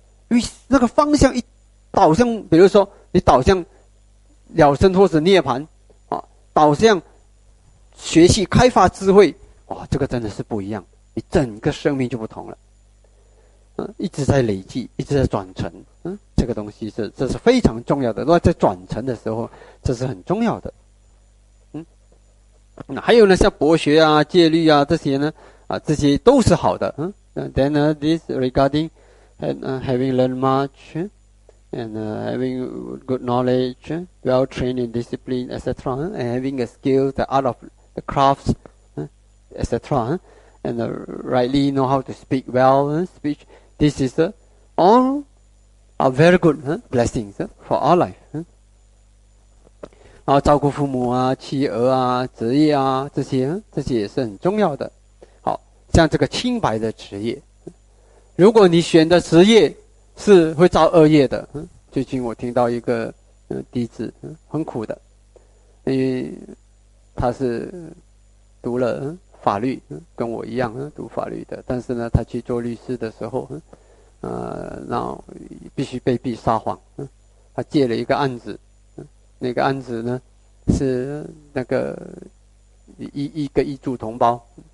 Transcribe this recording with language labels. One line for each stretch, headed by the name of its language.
Chinese: 因为那个方向一导向，比如说你导向了生或是涅槃，啊，导向学习开发智慧，哇，这个真的是不一样，你整个生命就不同了。一直在累积，一直在转成，这个东西是，这是非常重要的。如果在转成的时候，这是很重要的。还有呢，像博学啊、戒律啊这些呢，啊，这些都是好的。
English: Then this regarding having learned much and having good knowledge, well trained in discipline, etc. And having a skill, the art of the crafts, etc. And rightly know how to speak well, speech. This is all a very good blessings for our life.
Chinese: 然后照顾父母啊、妻儿啊、职业啊这些，这些也是很重要的。好像这个清白的职业，如果你选的职业是会造恶业的，最近我听到一个弟子很苦的，因为他是读了法律，跟我一样读法律的，但是呢他去做律师的时候然后必须被逼撒谎，他借了一个案子，那个案子呢是那个一个异族同胞，